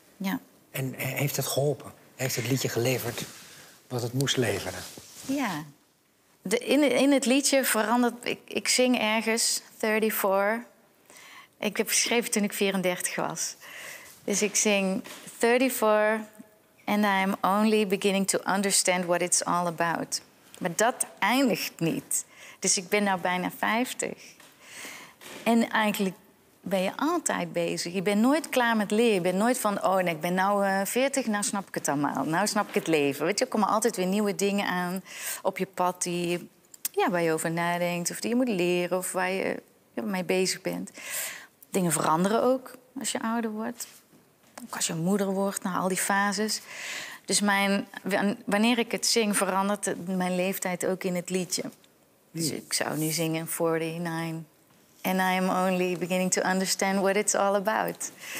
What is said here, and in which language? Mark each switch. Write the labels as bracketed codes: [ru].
[nl] Ja. En heeft het geholpen? Heeft het liedje geleverd wat het moest leveren? Ja. In het liedje verandert... Ik zing ergens, 34. Ik heb geschreven toen ik 34 was. Dus ik zing 34... [en] And I'm only beginning to understand what it's all about. [nl] Maar dat eindigt niet. Dus ik ben nou bijna 50. En eigenlijk ben je altijd bezig. Je bent nooit klaar met leren. Je bent nooit van, oh, ik ben nou 40, nou snap ik het allemaal. Nou snap ik het leven. Weet je, er komen altijd weer nieuwe dingen aan op je pad... waar je over nadenkt of die je moet leren of waar je mee bezig bent. Dingen veranderen ook als je ouder wordt. Ook als je moeder wordt, na al die fases. Dus wanneer ik het zing, verandert mijn leeftijd ook in het liedje. Dus ik zou nu zingen 49. [en] And I am only beginning to understand what it's all about.